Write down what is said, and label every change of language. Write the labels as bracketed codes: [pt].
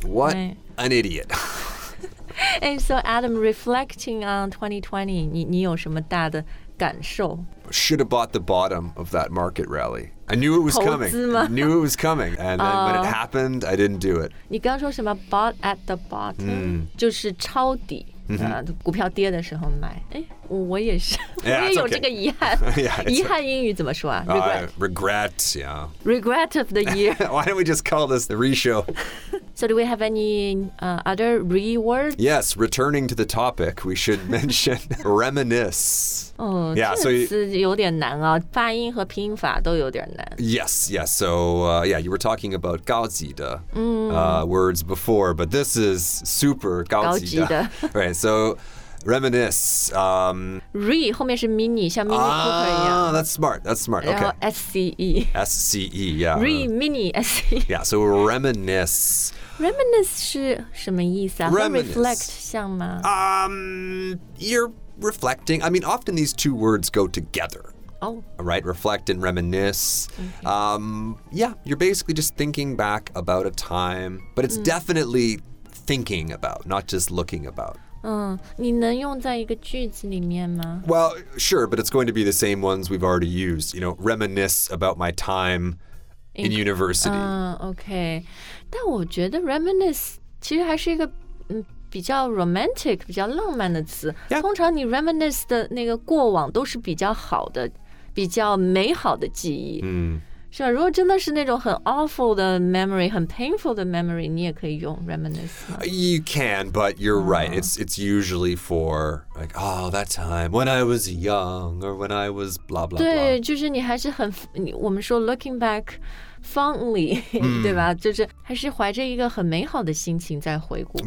[en] What、an idiot. And so Adam, reflecting on 2020, [zh] 你有什么大的感受? [en] Should have bought the bottom of that market rally. I knew it was coming. [zh] 投资吗? [en] I knew it was coming. And then when it happened, I didn't do it. [zh] 你刚说什么 [en] bought at the bottom,、 [zh] 就是抄底。股票跌的时候买，哎，我也是， [en] yeah, [zh] 我也有这个遗憾。 [en] Yeah, [zh] 遗憾英语怎么说啊 ？Regret. [en] Regret. Yeah. Regret of the year. Why don't we just call this the re-show? So do we have any other re-words? Yes. Returning to the topic, we should mention reminisce. [zh] 哦，yeah, 这个词有点难啊，发音和拼法都有点难。 [en] Yes. Yes. So yeah, you were talking about 高级的、words before, but this is super 高级 [zh] 的。 [en] Right, so reminisce. [zh] Re 后面是 mini, 像 mini cooper 一样 [en] That's smart, that's smart. Okay. S-C-E. S-C-E, yeah. Re, mini, S-C-E. Yeah, so reminisce. [zh] Reminisce 是什么意思啊 [en] Reminisce. [zh] Reflect 像吗 [en] You're reflecting. I mean, often these two words go together. Oh. Right, reflect and reminisce.、 Okay. Yeah, you're basically just thinking back about a time, but it's definitely... Thinking about, not just looking about. [zh] 你能用在一个句子里面吗 [en] Well, sure, but it's going to be the same ones we've already used. You know, reminisce about my time in university. [zh] Okay. 但我觉得 reminisce 其实还是一个比较 romantic, 比较浪漫的词。 [en] Yeah. [zh] 通常你 reminisce 的那个过往都是比较好的、比较美好的记忆。是吧？如果真的是那种很 awful 的 memory， 很 painful 的 memory， 你也可以用 reminisce。 [en] You can， but you're right. It's usually for like oh that time when I was young or when I was blah blah blah。 [zh] 对，就是你还是很，我们说 [en] looking back fondly，、 [zh] 对吧？就是还是怀着一个很美好的心情在回顾过去。